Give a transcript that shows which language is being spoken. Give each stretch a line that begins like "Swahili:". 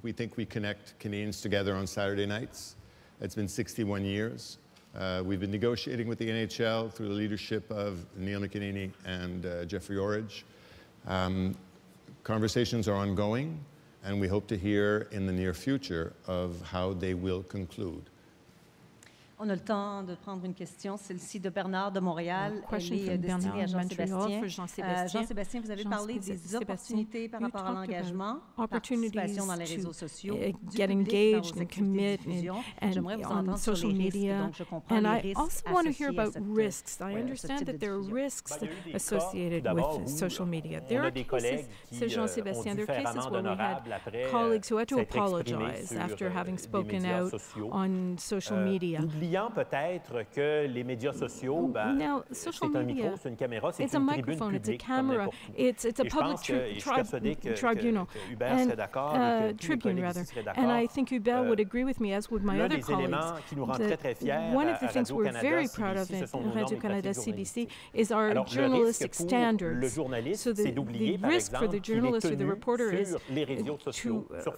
English: We think we connect Canadians together on Saturday nights. It's been 61 years. We've been negotiating with the NHL through the leadership of Neil McEnany and Jeffrey Orridge. Conversations are ongoing. and we hope to hear in the near future of how they will conclude.
French: On a le temps de prendre une question, celle-ci de Bernard de Montréal, elle est destinée à Jean-Sébastien, vous avez parlé des opportunités par rapport à l'engagement, participation dans les réseaux sociaux,
English: get engaged and commit and on social media. And I also want to hear about risks. I understand that there are risks associated with social media. There are cases, Jean-Sébastien, there are cases where we had colleagues who had to apologize after having spoken out on social media.
French: Oubliant peut-être que les médias sociaux, c'est un micro, c'est une caméra, c'est une tribune publique, comme n'importe où.
English: It's a public tribunal. And I think Hubert would agree with me, as would my other colleagues. One of the things we're very proud of in Radio-Canada CBC is our journalistic standards. So the risk for the journalist or the reporter is to